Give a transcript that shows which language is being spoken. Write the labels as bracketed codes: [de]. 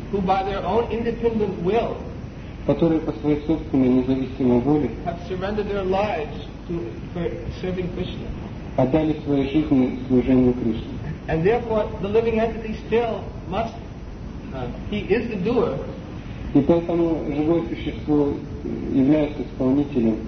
[en] who by their own independent will, [ru] которые по своей собственной независимой воле, [en] have surrendered their lives for serving Krishna, [ru] отдали свои жизни служению Кришне. [en] And therefore, the living entity still must, he is the doer. [ru] И поэтому живое существо является исполнителем.